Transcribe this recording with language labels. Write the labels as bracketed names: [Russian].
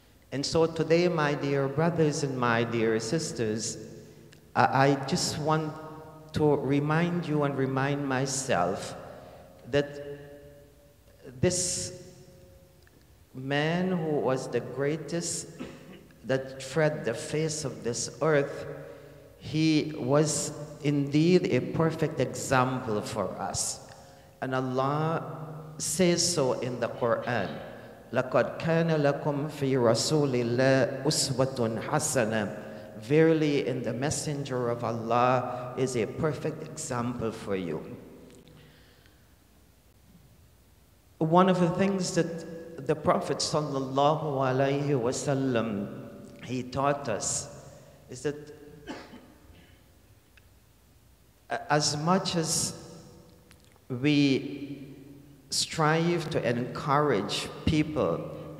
[English] And so today, my dear brothers and my dear sisters, I just want to remind you and remind myself that this man who was the greatest that tread the face of this earth, he was indeed a perfect example for us. And Allah says so in the Quran, [Arabic] لَقَدْ كَانَ لَكُمْ فِي رَسُولِ اللَّهِ أُسْوَةٌ حَسَنًا. [English] Verily in the Messenger of Allah is a perfect example for you. One of the things that the Prophet sallallahu alaihi wasallam he taught us is that as much as we strive to encourage people